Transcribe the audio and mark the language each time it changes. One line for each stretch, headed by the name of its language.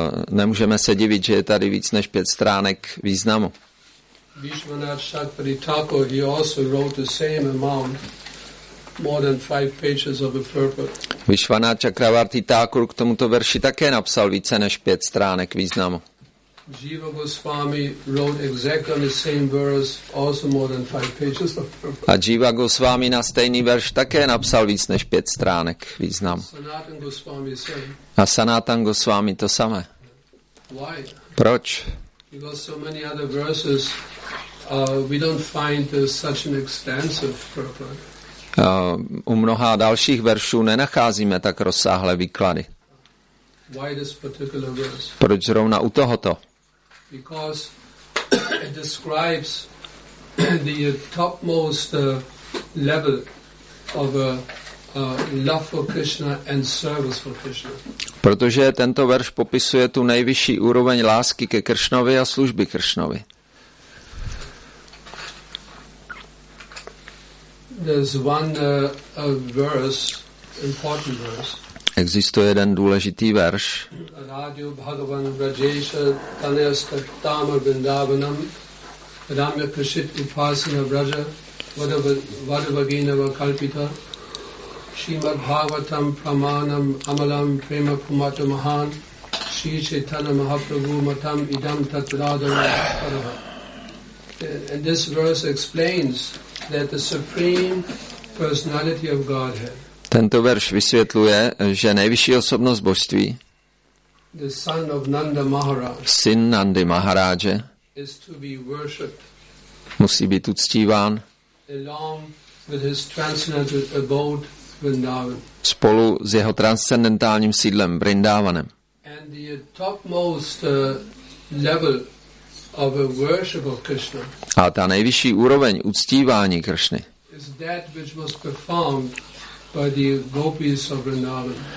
Czech: Nemůžeme se divit, že je tady víc než 5 stránek významu.
English: Vishwanath Chakravarti Thakur, he also wrote the same amount, more than 5 pages of a purport.
Czech: Vishwanath Chakravarti Thakur k tomuto verši také napsal více než 5 stránek významu.
English: Jiva Goswami wrote exactly on the same verse, also more than 5 pages of purport.
Czech: A Jiva Goswami na stejný verš také napsal víc než 5 stránek významu.
English: Sanatan Goswami
Czech: a Sanatan Goswami to samé.
English: Why?
Czech: Proč?
English: Because so many other verses, we don't find such an extensive purport.
Czech: U mnoha dalších veršů nenacházíme tak rozsáhlé výklady.
English: Why this particular verse?
Czech: Proč zrovna u tohoto?
English: Because it describes the topmost level of a love for Krishna and service for Krishna.
Czech: Protože tento verš popisuje tu nejvyšší úroveň lásky ke Kršnovi a služby Kršnovi.
English: There's one verse, important verse.
Czech: Existuje jeden důležitý verš.
Sanskrit: Radio Bhagavan Vrajesha Tanayasta Tamar Vrindavanam Ramya Prashit Upasana Vraja Vadavagina Vakalpita Shrimad Bhagavatam Pramanam Amalam Prema Kumata Mahan Shri Chaitanya Mahaprabhu Matam Idam Tat Radhana Parava.
English: And this verse explains that the Supreme Personality of Godhead,
Czech: tento verš vysvětluje, že nejvyšší osobnost božství,
English: the son of Nanda Maharaj,
Czech: syn Nandy Maharáže,
English: is to be worshipped,
Czech: musí být uctíván
English: along with his transcendental abode, Vrindavan,
Czech: spolu s jeho transcendentálním sídlem Vrindávanem.
English: And the topmost level of a worship of Krishna,
Czech: a ta nejvyšší úroveň uctívání Kršny
English: is that which was performed by the gopis of Vrindavan.